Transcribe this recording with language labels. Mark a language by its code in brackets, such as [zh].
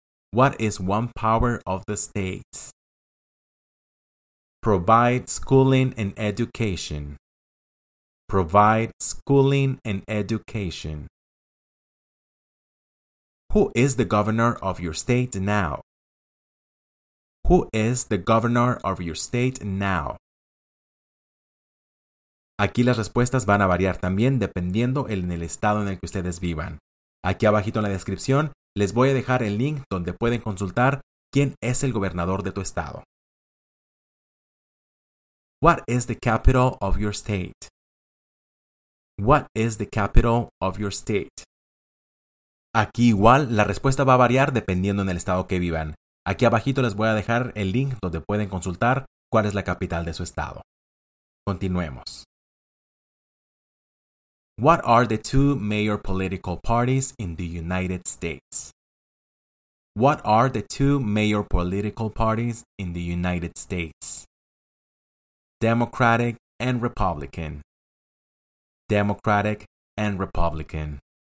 [en] What is one power of the states? Provide schooling and education. Provide schooling and education. Who is the governor of your state now? Who is the governor of your state now? [es] Aquí las respuestas van a variar también dependiendo en el estado en el que ustedes vivan. Aquí abajito en la descripción les voy a dejar el link donde pueden consultar quién es el gobernador de tu estado. [en] What is the capital of your state? What is the capital of your state? [es] Aquí igual la respuesta va a variar dependiendo en el estado que vivan. Aquí abajito les voy a dejar el link donde pueden consultar cuál es la capital de su estado. Continuemos. [en] What are the two major political parties in the United States? What are the two major political parties in the United States? Democratic and Republican. Democratic and Republican.